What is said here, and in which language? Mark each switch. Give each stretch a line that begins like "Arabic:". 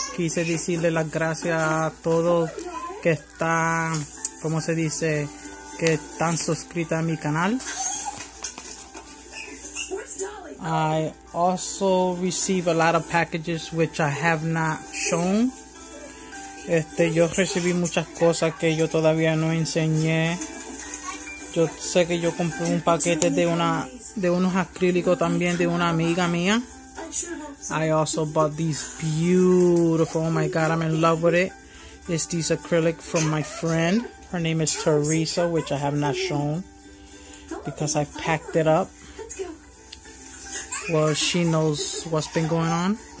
Spanish: Quise decirle las gracias a todos que están, como se dice, que están suscritos a mi canal.
English: I also receive a lot of packages which I have not shown.
Spanish: Yo recibí muchas cosas que yo todavía no enseñé. Yo sé que yo compré un paquete de unos acrílicos también de una amiga mía.
English: I also bought these beautiful, oh my god, I'm in love with it. It's this acrylic from my friend. Her name is Teresa, which I have not shown because I packed it up. Well, she knows what's been going on.